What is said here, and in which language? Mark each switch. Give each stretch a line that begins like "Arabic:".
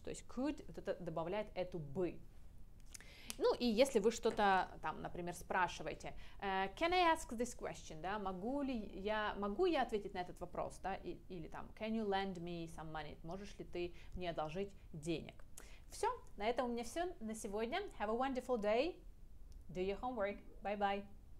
Russian: То есть could вот это добавляет эту бы. Ну и если вы что-то там, например, спрашиваете,
English: can I ask this question,
Russian: да? Могу я ответить на этот вопрос, да? Или там,
English: can you lend me some money?
Russian: Можешь ли ты мне одолжить денег? Все, на этом у меня все на сегодня.
English: Have a wonderful day. Do your homework. Bye-bye.